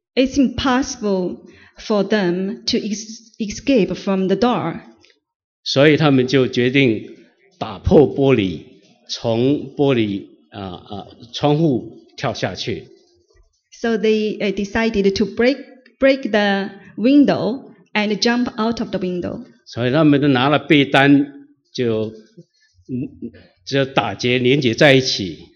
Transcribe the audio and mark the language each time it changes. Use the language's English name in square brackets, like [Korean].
[English] It's impossible for them to escape from the door. [Chinese] 所以他们就决定打破玻璃，从玻璃窗户跳下去。 [English] So they decided to break the window and jump out of the window. [Chinese] 所以他们都拿了被单，就打结连结在一起。